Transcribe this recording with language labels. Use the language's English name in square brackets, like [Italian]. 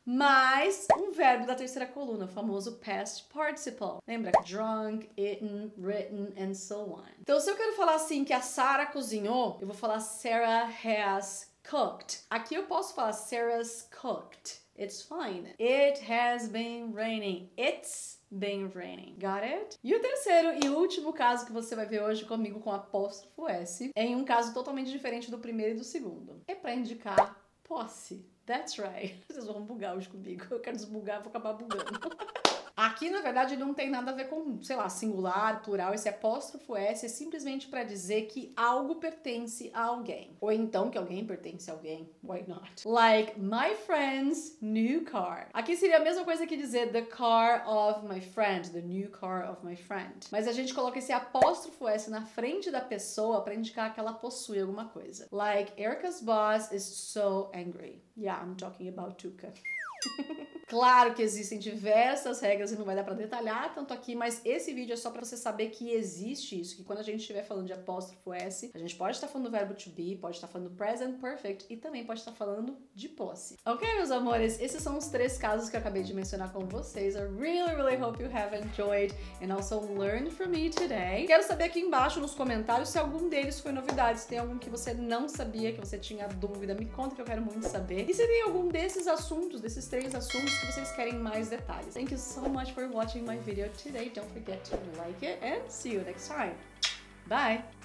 [Portuguese] Mais um verbo da terceira coluna, o famoso past participle. Lembra? [English] Drunk, eaten, written and so on. [Portuguese] Então, se eu quero falar assim que a Sarah cozinhou, eu vou falar [English] Sarah has cooked. [Portuguese] Aqui eu posso falar [English] Sarah's cooked. It's fine. It has been raining. It's been raining. Got it? [Portuguese] E o terceiro e último caso que você vai ver hoje comigo com apóstrofo S é em um caso totalmente diferente do primeiro e do segundo. É pra indicar posse. [English] That's right. [Portuguese] Vocês vão bugar hoje comigo. Eu quero desbugar, vou acabar bugando. Aqui, na verdade, não tem nada a ver com, sei lá, singular, plural. Esse apóstrofo S é simplesmente pra dizer que algo pertence a alguém. Ou então que alguém pertence a alguém. [English] Why not? Like, my friend's new car. [Portuguese] Aqui seria a mesma coisa que dizer [English] the car of my friend. The new car of my friend. [Portuguese] Mas a gente coloca esse apóstrofo S na frente da pessoa pra indicar que ela possui alguma coisa. [English] Like, Erica's boss is so angry. Yeah, I'm talking about Tuca. [Portuguese] Claro que existem diversas regras e não vai dar pra detalhar tanto aqui, mas esse vídeo é só pra você saber que existe isso, que quando a gente estiver falando de apóstrofo S, a gente pode estar falando do verbo to be, pode estar falando present perfect e também pode estar falando de posse. Ok, meus amores, esses são os três casos que eu acabei de mencionar com vocês. [English] I really, really hope you have enjoyed and also learned from me today. [Portuguese] Quero saber aqui embaixo nos comentários se algum deles foi novidade, se tem algum que você não sabia, que você tinha dúvida, me conta que eu quero muito saber. E se tem algum desses assuntos, desses três assuntos, que vocês querem mais detalhes. [English] Thank you so much for watching my video today. Don't forget to like it and see you next time. Bye!